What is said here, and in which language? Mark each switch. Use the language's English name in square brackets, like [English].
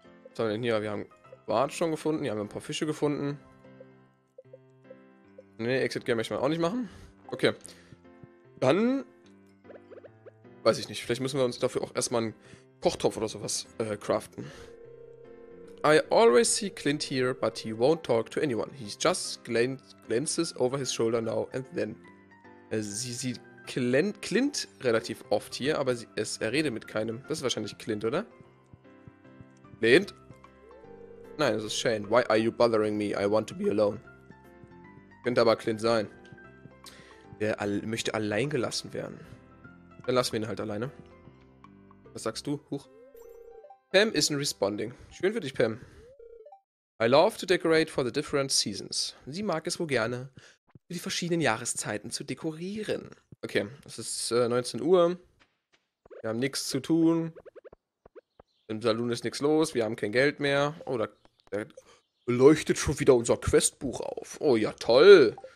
[German] Was haben wir denn hier? Wir haben Bart schon gefunden. Hier haben wir ein paar Fische gefunden. Ne, Exit Game möchte man auch nicht machen. Okay. Dann. Weiß ich nicht. Vielleicht müssen wir uns dafür auch erstmal einen Kochtopf oder sowas craften. [English] I always see Clint here, but he won't talk to anyone. He just glances over his shoulder now and then. [German] Sie sieht Clint relativ oft hier, aber er redet mit keinem. Das ist wahrscheinlich Clint, oder? Clint? Nein, das ist Shane. [English] Why are you bothering me? I want to be alone. [German] Könnte aber Clint sein. Der möchte allein gelassen werden. Dann lassen wir ihn halt alleine. Was sagst du? Huch. [English] Pam isn't responding. [German] Schön für dich, Pam. [English] I love to decorate for the different seasons. [German] Sie mag es wohl gerne, für die verschiedenen Jahreszeiten zu dekorieren. Okay, es ist 19 Uhr. Wir haben nichts zu tun. Im Saloon ist nichts los. Wir haben kein Geld mehr. Oh, da leuchtet schon wieder unser Questbuch auf. Oh ja, toll.